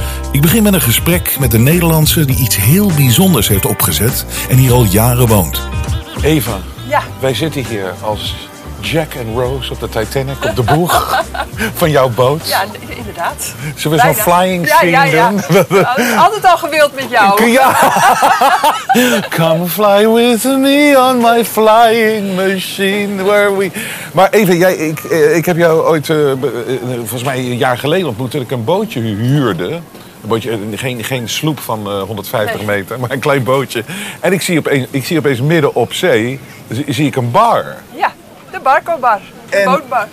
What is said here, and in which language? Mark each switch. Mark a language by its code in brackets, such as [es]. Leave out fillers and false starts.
[nl] Ik begin met een gesprek met een Nederlandse die iets heel bijzonders heeft opgezet en hier al jaren woont. Eva, ja. Wij zitten hier als Jack en Rose op de Titanic, op de boeg van jouw boot. Ja, inderdaad. Zullen we zo'n flying scene doen? Ja. Altijd al gewild met jou. Ja. [en] Come fly with me on my flying machine. Where we... [nl] Maar even, ik heb jou ooit, volgens mij een jaar geleden ontmoet, toen ik een bootje huurde. Een bootje, geen sloep van 150 meter, maar een klein bootje. En ik zie opeens midden op zee, zie ik een bar. Ja. De barco-bar, de bootbar.